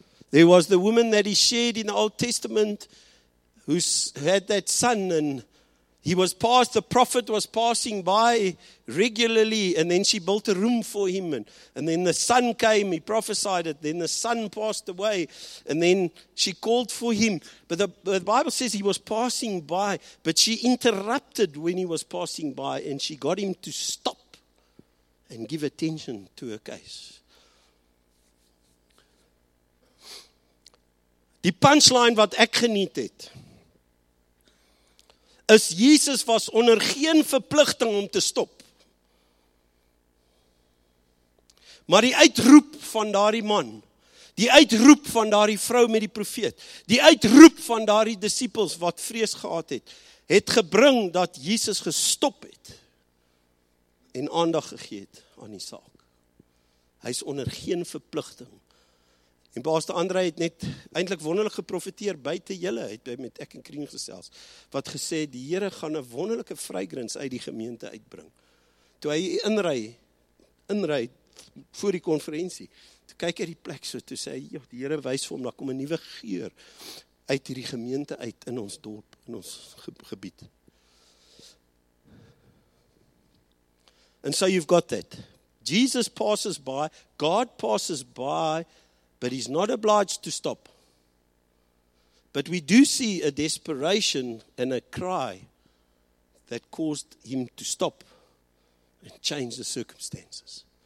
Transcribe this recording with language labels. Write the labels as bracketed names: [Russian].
[English] There was the woman that he shared in the Old Testament who had that son, and he was passed, the prophet was passing by regularly, and then she built a room for him, and then the son came, he prophesied it, then the son passed away, and then she called for him. But the Bible says he was passing by, but she interrupted when he was passing by, and she got him to stop and give attention to her case. [Afrikaans] Die punchline wat ek geniet het, is Jesus was onder geen verpligting om te stop. Maar die uitroep van daardie man, die uitroep van daardie vrou met die profeet, die uitroep van daardie disippels wat vrees gehad het, het gebring dat Jesus gestop het en aandag gegee het aan die saak. Hy is onder geen verpligting. En Pastor André het net eintlik wonderlik geprofeteer buite julle, het met ek en Krien gesels, wat gesê die Here gaan 'n wonderlike vrygrins uit die gemeente uitbring. Toe hy inry voor die konferensie, toe kyk hy die plek so, toe sê hy, joh, die Here wys vir hom, daar kom 'n nuwe geur uit hierdie gemeente uit in ons dorp, in ons gebied. [English] And so you've got that. Jesus passes by, God passes by, but he's not obliged to stop. But we do see a desperation and a cry that caused him to stop and change the circumstances.